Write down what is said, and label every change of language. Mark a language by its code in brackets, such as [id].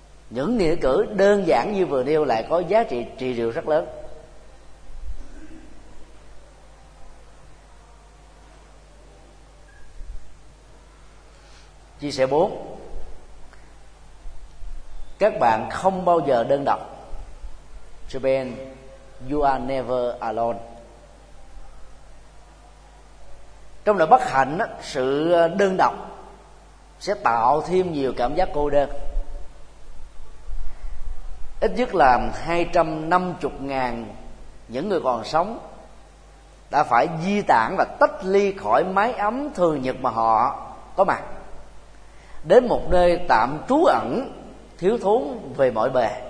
[vi] Những nghĩa cử đơn giản như vừa nêu lại có giá trị trị liệu rất lớn. Chia sẻ 4, các bạn không bao giờ đơn độc. [en] Japan, you are never alone. [vi] Trong nỗi bất hạnh, sự đơn độc sẽ tạo thêm nhiều cảm giác cô đơn. Ít nhất là 250.000 những người còn sống đã phải di tản và tách ly khỏi mái ấm thường nhật mà họ có mặt, đến một nơi tạm trú ẩn, thiếu thốn về mọi bề.